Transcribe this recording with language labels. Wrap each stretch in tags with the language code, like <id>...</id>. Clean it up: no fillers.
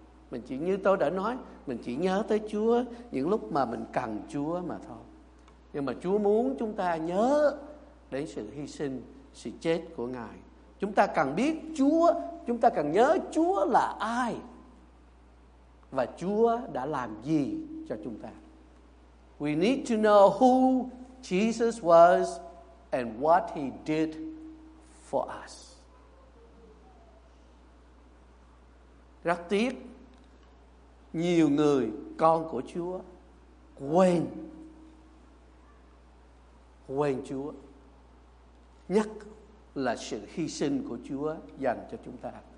<vi>Mình chỉ như tôi đã nói, mình chỉ nhớ tới Chúa những lúc mà mình cần Chúa mà thôi. Nhưng mà Chúa muốn chúng ta nhớ đến sự hy sinh, sự chết của Ngài. Chúng ta cần biết Chúa, chúng ta cần nhớ Chúa là ai và Chúa đã làm gì cho chúng ta.</vi> <en>We need to know who Jesus was and what he did for us.</en> <vi>Rất tiếc, nhiều người con của Chúa quên Chúa, nhất là sự hy sinh của Chúa dành cho chúng ta.</vi>